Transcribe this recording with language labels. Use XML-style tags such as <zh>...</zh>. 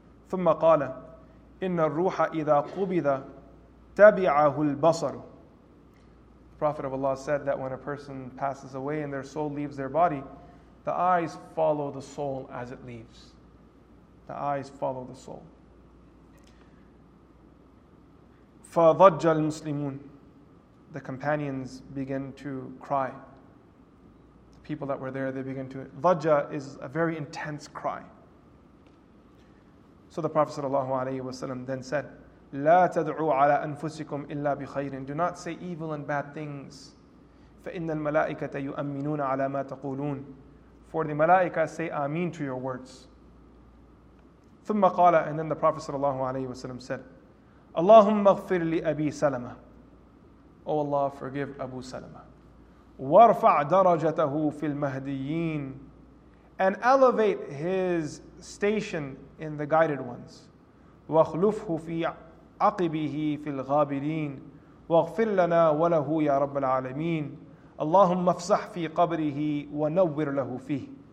<ar>ثم قال إن الروح إذا قبض تبعه البصر.</ar> <en>The Prophet of Allah said that when a person passes away and their soul leaves their body, the eyes follow the soul as it leaves. The eyes follow the soul.</en> <ar>فضج المسلمون.</ar> <en>The companions begin to cry. People that were there, they begin to... Dhajja is a very intense cry. So the Prophet sallallahu alayhi wa sallam then said,</en> <ar>لا تدعوا على أنفسكم إلا بخير.</ar> <en>Do not say evil and bad things.</en> <ar>فَإِنَّ الْمَلَائِكَةَ يُ�5 عَلَى مَا تَقُولُونَ.</ar> <en>For the malaika say ameen to your words.</en> <ar>ثُمَّ قَالَ.</ar> <en>And then the Prophet sallallahu alayhi wa sallam said,</en> <ar>اللهم اغفر لأبي سلمة.</ar> <en>O Allah, forgive Abu Salamah.</en> <ar>وارفع درجته في المهديين.</ar> <en>And elevate his station in the guided ones.</en> <ar>واخلفه في عقبه في الغابرين. واغفر لنا وله يا رب العالمين. اللهم افسح في قبره ونور له فيه.</ar>